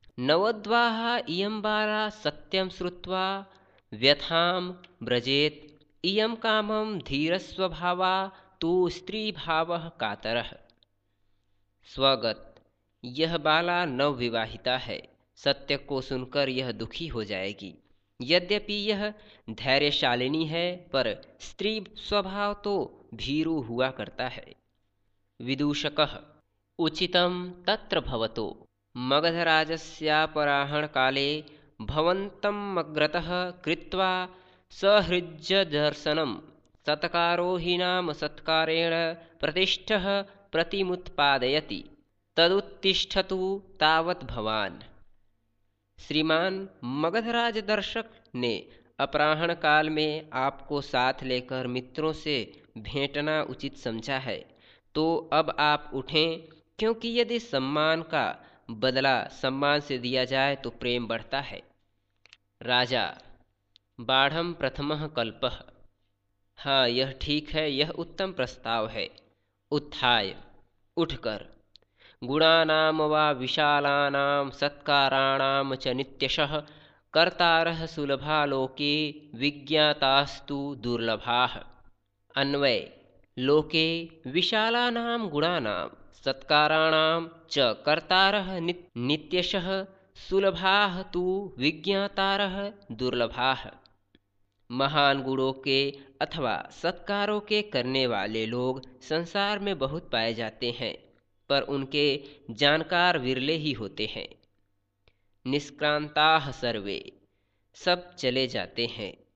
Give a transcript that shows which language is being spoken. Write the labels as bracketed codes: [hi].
[sa] नवोद्वाहा इयं बाला सत्यं श्रुत्वा व्यथां व्रजेत्, इयं कामं धीरस्वभावा तु स्त्रीभावः कातरः। स्वगत। [hi] यह बाला नवविवाहिता है, सत्य को सुनकर यह दुखी हो जाएगी। यद्यपि यह धैर्यशालिनी है, पर स्त्री स्वभाव तो भीरु हुआ करता है। [sa] विदूषकः। उचितं तत्र भवतो, मगधराजस्यापराहण काले भवन्तम् अग्रतः कृत्वा सहृज्जदर्शनं सत्कारो हि नाम सत्कारेण प्रतिष्ठः प्रतिमुत्पादयति, तदुत्तिष्ठतु तावत् भवान्। [hi] श्रीमान, मगधराज दर्शक ने अपराहण काल में आपको साथ लेकर मित्रों से भेंटना उचित समझा है, तो अब आप उठें, क्योंकि यदि सम्मान का बदला सम्मान से दिया जाए तो प्रेम बढ़ता है। राजा, [sa] बाढ़म प्रथमः कल्पः। [hi] हाँ, यह ठीक है, यह उत्तम प्रस्ताव है। [sa] उत्थाय, [hi] उठकर। [sa] गुणानां वा विशालानां सत्काराणां च नित्यशः कर्तारः सुलभा लोके विज्ञातास्तु दुर्लभाः। अन्वय। लोके विशालानां गुणानां सत्काराणां च कर्तारः नित्यशः सुलभाः तु विज्ञातारः दुर्लभाः। [hi] महान गुणों के अथवा सत्कारों के करने वाले लोग संसार में बहुत पाए जाते हैं, पर उनके जानकार विरले ही होते हैं। [sa] निष्क्रांताः सर्वे, [hi] सब चले जाते हैं।